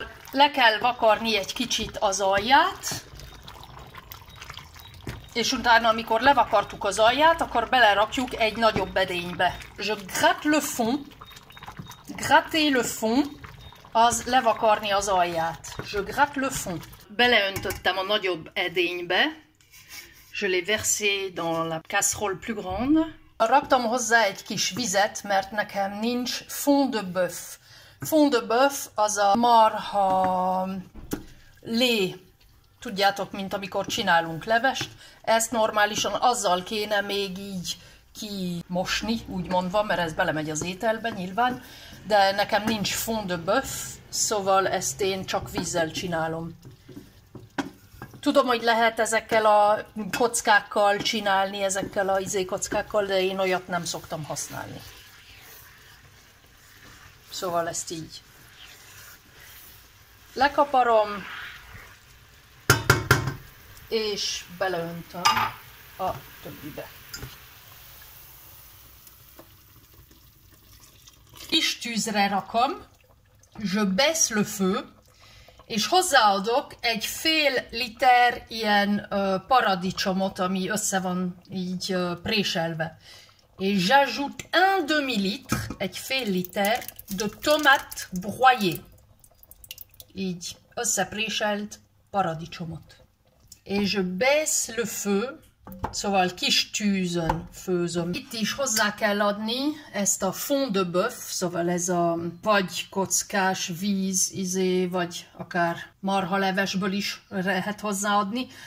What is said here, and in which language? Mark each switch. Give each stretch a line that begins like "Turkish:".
Hungarian: Le kell vakarni egy kicsit az alját, és utána, amikor levakartuk az alját, akkor belerakjuk egy nagyobb edénybe.
French: Je gratte le fond. Gratter le fond,
Hungarian: az levakarni az alját.
French: Je gratte le fond.
Hungarian: Beleöntöttem a nagyobb edénybe.
French: Je l'ai versé dans la casserole plus grande.
Hungarian: Raktam hozzá egy kis vizet, mert nekem nincs fond de bœuf. Fond de bœuf az a marha lé. Tudjátok, mint amikor csinálunk levest. Ezt normálisan azzal kéne még így kimosni, úgy mondva, mert ez belemegy az ételbe nyilván. De nekem nincs fond de bœuf, szóval ezt én csak vízzel csinálom. Tudom, hogy lehet ezekkel a kockákkal csinálni, ezekkel a izékockákkal, de én olyat nem szoktam használni. Szóval ezt így. Lekaparom, és beleöntöm a többibe. Kis tűzre rakom,
French: je baisse le feu,
Hungarian: És hozzáadok egy fél liter ilyen paradicsomot, ami össze van így préselve.
French: Et j'ajoute un demi-litre,
Hungarian: egy fél liter,
French: de tomate broyée.
Hungarian: Így összepréselt paradicsomot.
French: Et je baisse le feu,
Hungarian: szóval kis tűzön főzöm. Itt is hozzá kell adni ezt a fond de bœuf, szóval ez a pagykockás víz, vagy akár marhalevesből is lehet hozzáadni.